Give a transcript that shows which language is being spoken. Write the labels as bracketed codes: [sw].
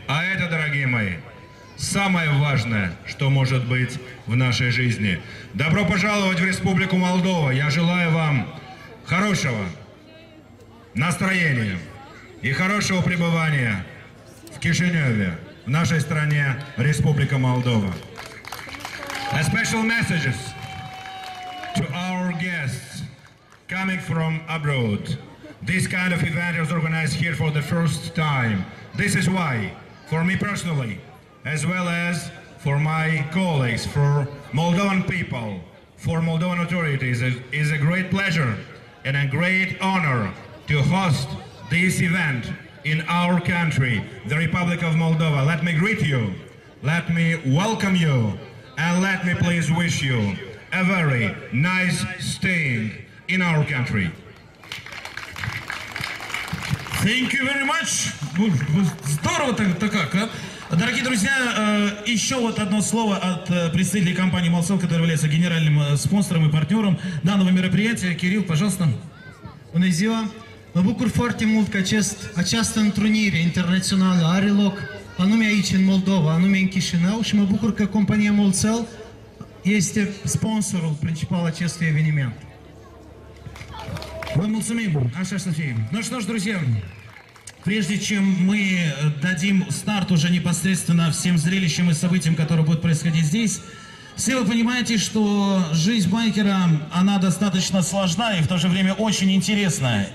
[ru] А это, дорогие мои, самое важное, что может быть в нашей жизни. Добро пожаловать в Республику Молдова. Я желаю вам хорошего настроения и хорошего пребывания в Кишиневе, в нашей стране, Республика Молдова. [en] A special message to our guests coming from abroad. This kind of event was organized here for the first time. This is why, for me personally, as well as for my colleagues, for Moldovan people, for Moldovan authorities, it is a great pleasure and a great honor to host this event in our country, the Republic of Moldova. Let me greet you, let me welcome you, and let me please wish you a very nice staying in our country. Thank you very much. [ru] Здорово так как, а? Дорогие друзья, еще вот одно слово от представителей компании «Молсов», которая является генеральным спонсором и партнером данного мероприятия. Кирилл, пожалуйста. [ro] Bună ziua! Mă bucur foarte mult că această întrunire internațională are loc anume aici în Moldova, anume în Chișinău, și mă bucur că compania «Молсов» este sponsorul principal acestui eveniment. Vă mulțumim! Așa să fie! [ru] Ну что ж, друзья! Прежде чем мы дадим старт уже непосредственно всем зрелищам и событиям, которые будут происходить здесь, все вы понимаете, что жизнь байкера, она достаточно сложна и в то же время очень интересная.